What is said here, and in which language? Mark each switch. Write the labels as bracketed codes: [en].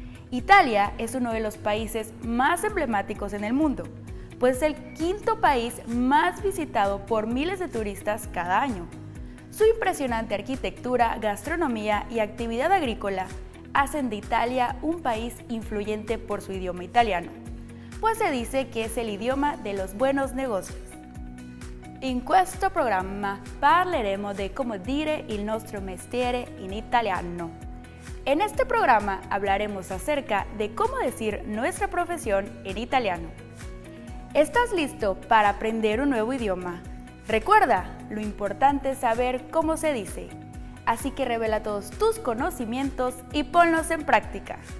[es] Italia es uno de los países más emblemáticos en el mundo, pues es el quinto país más visitado por miles de turistas cada año. Su impresionante arquitectura, gastronomía y actividad agrícola hacen de Italia un país influyente por su idioma italiano, pues se dice que es el idioma de los buenos negocios. [it] In questo programma parleremo [es] de cómo [it] dire il nostro mestiere in italiano. [es] En este programa hablaremos acerca de cómo decir nuestra profesión en italiano. ¿Estás listo para aprender un nuevo idioma? Recuerda, lo importante es saber cómo se dice. Así que revela todos tus conocimientos y ponlos en práctica.